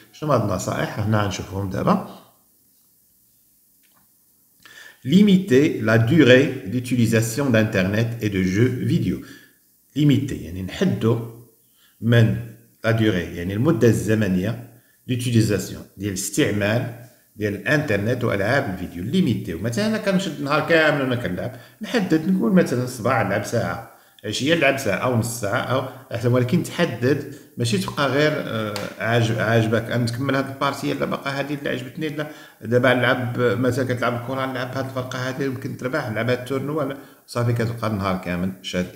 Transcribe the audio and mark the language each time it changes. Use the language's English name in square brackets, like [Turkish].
[Arabic] شنو هاد النصائح؟ هنا غنشوفهم دابا. [French] Limiter la durée d'utilisation d'Internet et de jeux vidéo. [Arabic] Limiter, يعني نحدو من la durée, يعني المدة الزمنية d'utilisation, ديال الاستعمال ديال الانترنت والعاب الفيديو. Limiter، مثلا انا كنشد النهار كامل وانا كنلعب، نحدد نقول مثلا الصباح نلعب ساعة، عشية نلعب ساعة او نص ساعة او احسن، ولكن تحدد، ماشي تبقى غير عاجبك ان تكمل هاد البارتي، لا بقى هادي اللي عجبتني، لا دابا نلعب مثلا كتلعب الكره، نلعب هاد الفرقه هادي يمكن تربح، نلعب هاد التورنوا، صافي كتبقى النهار كامل شاد.